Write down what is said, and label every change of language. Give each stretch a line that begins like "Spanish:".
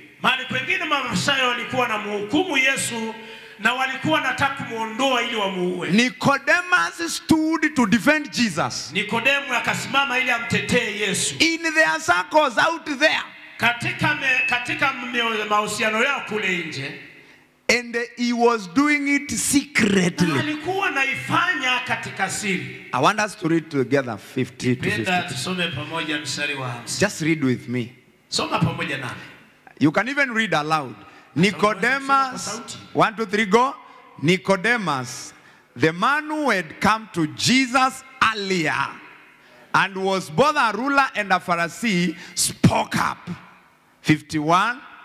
Swahili: Mali pengine mafarisayo walikuwa na mhukumu Yesu na walikuwa nataka kumuondoa ili wamuue.
English: Nicodemus stood to defend Jesus.
Swahili: Nicodemus akasimama ili amtetee Yesu.
English: In their circles out there.
Swahili: Katika mahusiano yao kule nje.
English: And he was doing it secretly.
Swahili: Alikuwa anaifanya katika siri.
English: I want us to read together 50 to 50.
Swahili: Tusome pamoja mstari wa 50.
English: Just read with me.
Swahili: Soma pamoja nami.
English: You can even read aloud. Nicodemus, 1, 2, 3, go. Nicodemus, the man who had come to Jesus earlier and was both a ruler and a Pharisee, spoke up. 51.